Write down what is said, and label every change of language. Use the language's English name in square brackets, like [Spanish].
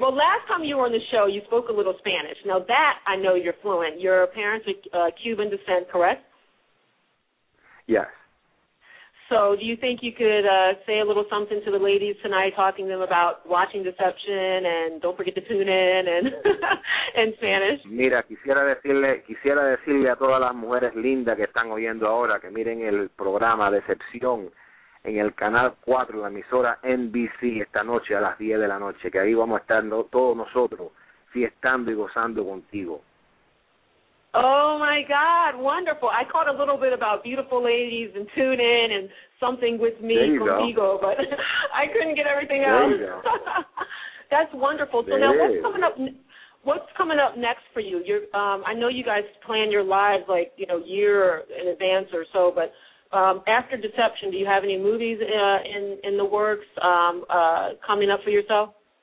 [English] Well, last time you were on the show, you spoke a little Spanish. Now, that I know you're fluent. Your parents are Cuban descent, correct? Yes. So do you think you could say a little something to the ladies tonight, talking to them about watching Deception and don't forget to tune in and in Spanish? [Spanish] Mira, quisiera decirle a todas las mujeres lindas que están oyendo ahora que miren el programa Deception en el canal 4, la emisora NBC, esta noche a las 10 de la noche, que ahí vamos a estar todos nosotros fiestando y gozando contigo. [English] Oh, my God, wonderful. I caught a little bit about beautiful ladies and tune in and something with me contigo, but I couldn't get everything there else. That's wonderful. So now what's coming up next for you? I know you guys plan your lives like, you know, year in advance or so, but after Deception, do you have any movies in the works coming up for yourself?